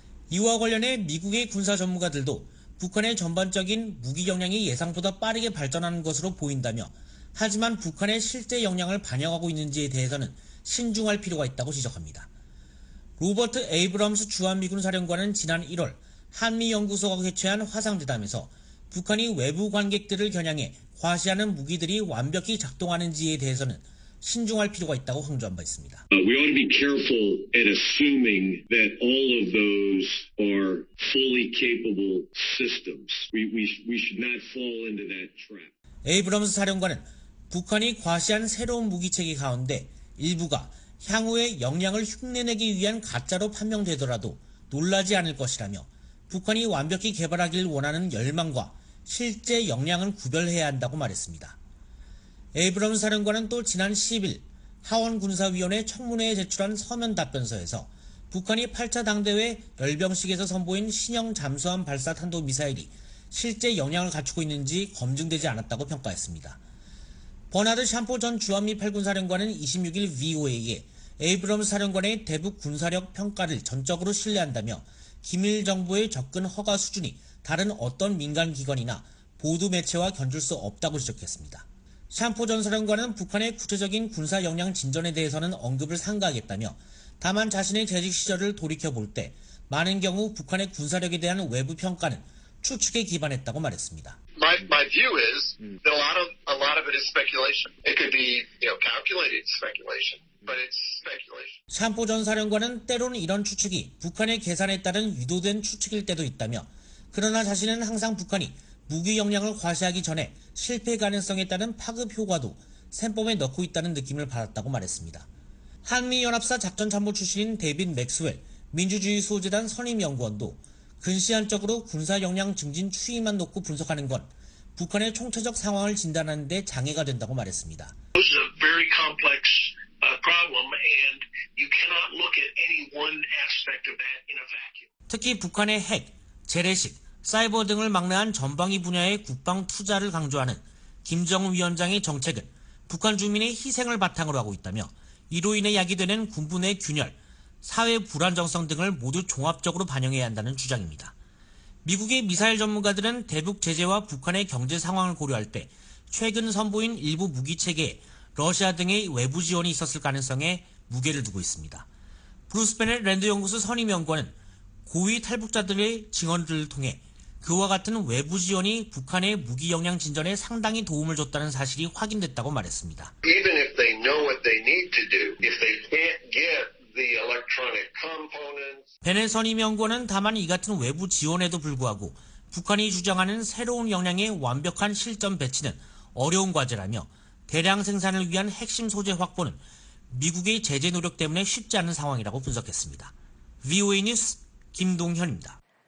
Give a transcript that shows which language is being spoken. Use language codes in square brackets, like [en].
[ko] 이와 관련해 미국의 군사 전문가들도 북한의 전반적인 무기 역량이 예상보다 빠르게 발전하는 것으로 보인다며 하지만 북한의 실제 역량을 반영하고 있는지에 대해서는 신중할 필요가 있다고 지적합니다. 로버트 에이브람스 주한미군 사령관은 지난 1월 한미연구소가 개최한 화상대담에서 북한이 외부 관객들을 겨냥해 과시하는 무기들이 완벽히 작동하는지에 대해서는 신중할 필요가 있다고 강조한 바 있습니다. [en] We ought to be careful at assuming that all of those are fully capable systems. We should not fall into that trap. [ko] 에이브럼스 사령관은 북한이 과시한 새로운 무기체계 가운데 일부가 향후에 역량을 흉내내기 위한 가짜로 판명되더라도 놀라지 않을 것이라며 북한이 완벽히 개발하길 원하는 열망과 실제 역량은 구별해야 한다고 말했습니다. 에이브럼 사령관은 또 지난 10일 하원군사위원회 청문회에 제출한 서면 답변서에서 북한이 8차 당대회 열병식에서 선보인 신형 잠수함 발사 탄도미사일이 실제 역량을 갖추고 있는지 검증되지 않았다고 평가했습니다. 버나드 샴포 전 주한미 8군 사령관은 26일 VOA에 에이브럼 사령관의 대북 군사력 평가를 전적으로 신뢰한다며 기밀 정보의 접근 허가 수준이 다른 어떤 민간기관이나 보도매체와 견줄 수 없다고 지적했습니다. 샴포 전 사령관은 북한의 구체적인 군사 역량 진전에 대해서는 언급을 삼가하겠다며 다만 자신의 재직 시절을 돌이켜볼 때 많은 경우 북한의 군사력에 대한 외부 평가는 추측에 기반했다고 말했습니다. [en] My view is that a lot of it is speculation. It could be, you know, calculated speculation, but it's speculation. [ko] 샴포 전 사령관은 때론 이런 추측이 북한의 계산에 따른 유도된 추측일 때도 있다며 그러나 자신은 항상 북한이 무기 역량을 과시하기 전에 실패 가능성에 따른 파급 효과도 셈법에 넣고 있다는 느낌을 받았다고 말했습니다. 한미연합사 작전참모 출신인 데빈 맥스웰, 민주주의 소재단 선임연구원도 근시안적으로 군사 역량 증진 추이만 놓고 분석하는 건 북한의 총체적 상황을 진단하는 데 장애가 된다고 말했습니다. [en] This is a very complex problem and you cannot look at any one aspect of that in a vacuum. [ko] 특히 북한의 핵, 재래식, 사이버 등을 막내한 전방위 분야의 국방 투자를 강조하는 김정은 위원장의 정책은 북한 주민의 희생을 바탕으로 하고 있다며 이로 인해 야기되는 군부 내 균열, 사회 불안정성 등을 모두 종합적으로 반영해야 한다는 주장입니다. 미국의 미사일 전문가들은 대북 제재와 북한의 경제 상황을 고려할 때 최근 선보인 일부 무기체계에 러시아 등의 외부 지원이 있었을 가능성에 무게를 두고 있습니다. 브루스 베넷 랜드연구소 선임연구원은 고위 탈북자들의 증언들을 통해 그와 같은 외부 지원이 북한의 무기 역량 진전에 상당히 도움을 줬다는 사실이 확인됐다고 말했습니다. [en] Even if they know what they need to do, if they can't get the electronic components. [ko] 베넷 선임연구원은 다만 이 같은 외부 지원에도 불구하고 북한이 주장하는 새로운 역량의 완벽한 실전 배치는 어려운 과제라며 대량 생산을 위한 핵심 소재 확보는 미국의 제재 노력 때문에 쉽지 않은 상황이라고 분석했습니다. VOA 뉴스 김동현입니다.